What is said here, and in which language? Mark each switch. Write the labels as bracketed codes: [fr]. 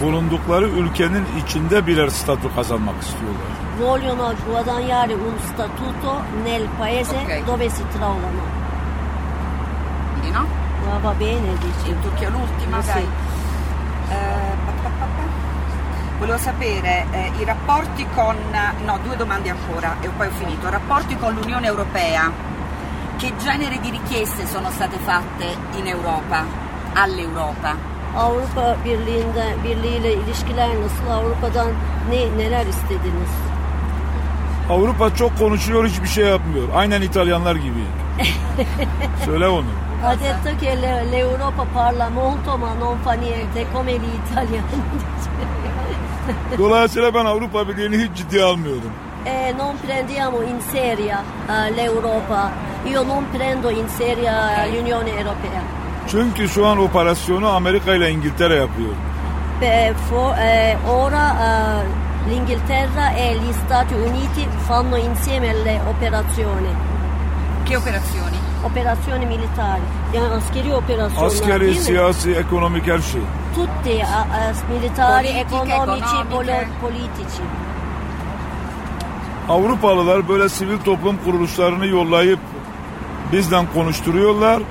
[tr] Bulundukları ülkenin içinde birer statü kazanmak istiyorlar. [it] Vogliono guadagnare un statuto nel paese dove si trovano. Dino? Va bene, dice. In Turchia l'ultima, sì. Volevo sapere i rapporti con... No, due domande ancora e poi ho finito. Rapporti con l'Unione Europea. Che genere di richieste sono state fatte in Europa, all'Europa? [tr] Avrupa Birliği'yle ilişkiler nasıl? Avrupa'dan neler istediniz? Avrupa çok konuşuyor, hiçbir şey yapmıyor. Aynen İtalyanlar gibi. Söyle onu. [it] Ha detto che l'Europa parla molto ma non fa niente come gli italiani. [tr] Dolayısıyla ben Avrupa Birliği'ni hiç ciddiye almıyorum. [it] Non prendiamo in seria l'Europa. Io non prendo in seria l'Unione Europea. [tr] Çünkü şu an operasyonu Amerika ile İngiltere yapıyor. [it] Ora l'Inghilterra e gli Stati Uniti fanno insieme le operazioni. Che operazioni? Operazioni militari. [tr] Yani askeri operasyonlar. Askeri, siyasi, ekonomik her şey. [it] Tutti militari, ekonomici, politici. [tr] Avrupalılar böyle sivil toplum kuruluşlarını yollayıp bizden konuşturuyorlar.